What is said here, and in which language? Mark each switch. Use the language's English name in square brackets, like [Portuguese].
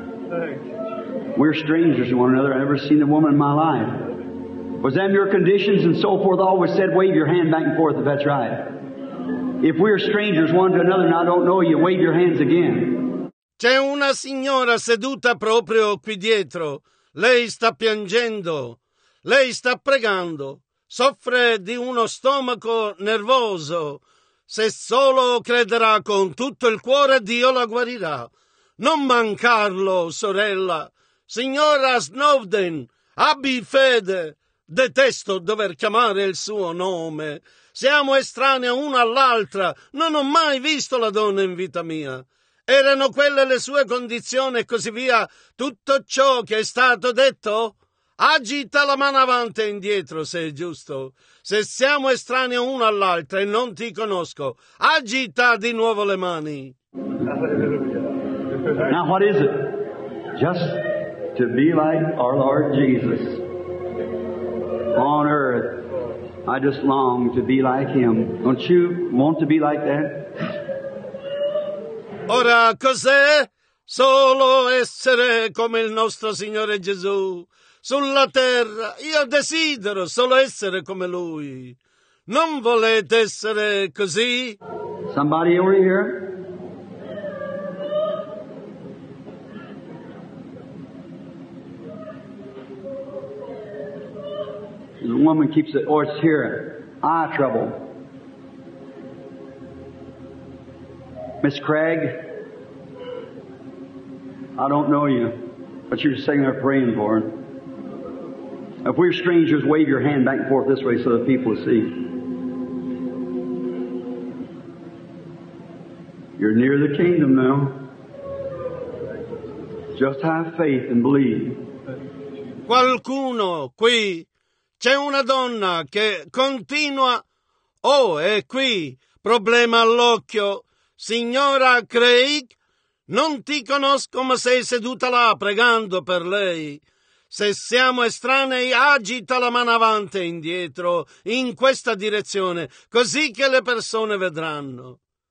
[English] Thanks. We're strangers to one another. I've never seen a woman in my life. Was them your conditions and so forth? Always said, wave your hand back and forth if that's right. If we're strangers one to another and I don't know you, wave your hands again. [Italian] C'è una signora seduta proprio qui dietro. Lei sta piangendo. Lei sta pregando. Soffre di uno stomaco nervoso. Se solo crederà con tutto il cuore, Dio la guarirà. Non mancarlo, sorella. Signora Snowden, abbi fede. Detesto dover chiamare il suo nome. Siamo estranei una all'altra. Non ho mai visto la donna in vita mia. Erano quelle le sue condizioni e così via. Tutto ciò che è stato detto? Agita la mano avanti e indietro, se è giusto. Se siamo estranei una all'altra e non ti conosco, agita di nuovo le mani. [English] Now what is it? Just to be like our Lord Jesus. On earth, I just long to be like Him. Don't you want to be like that? [Italian] Ora cos'è? Solo essere come il nostro Signore Gesù. Sulla terra, io desidero solo essere come Lui. Non volete essere così? [English] Somebody over here? The woman keeps it, or it's here. Eye trouble. Miss Craig, I don't know you, but you're sitting there praying for him. If we're strangers, wave your hand back and forth this way so the people see. You're near the kingdom now. Just have faith and believe. [Italian] Qualcuno qui. C'è una donna che continua. Oh, è qui. Problema all'occhio. Signora Craig, non ti conosco, ma sei seduta là pregando per lei. Se siamo estranei, agita la mano avanti e indietro, in questa direzione, così che le persone vedranno.